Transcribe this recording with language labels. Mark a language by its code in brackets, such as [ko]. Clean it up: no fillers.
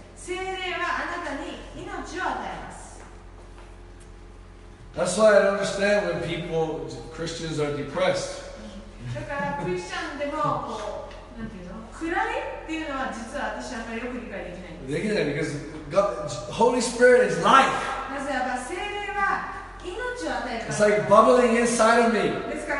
[ja] 聖霊はあなたに命を与えます。 [en] That's why I don't understand when people, Christians are depressed. [ja] だからクリスチャンでもこう、なんていうの、暗いっていうのは実は私はあんまりよく理解できないんです。できない、 [en] because God, Holy Spirit is life. [ja] なぜならば聖霊は命を与えます。 [en] It's like bubbling inside of me.